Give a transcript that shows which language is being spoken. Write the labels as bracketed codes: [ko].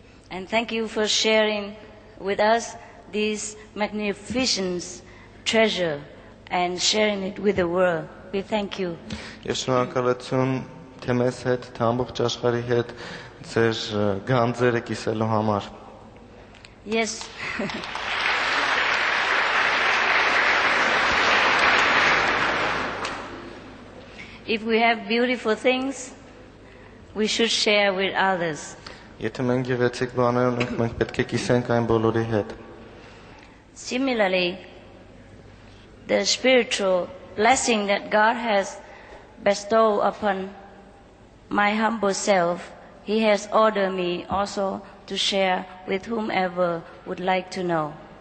[en] And thank you for sharing with us this magnificent treasure and sharing it with the world. We thank you. [hy] Ես շնորհակալություն թե մեզ հետ, թե ամբողջ աշխարհի հետ ձեր գանձերը կիսելու համար։ [en] Yes. If we have beautiful things, we should share with others. [hy] Եթե մենք գեղեցիկ բաներ ունենք, մենք պետք է կիսենք այն բոլորի հետ։ [en] Similarly, the spiritual blessing that God has bestowed upon my humble self, He has ordered me also to share with whomever would like to know.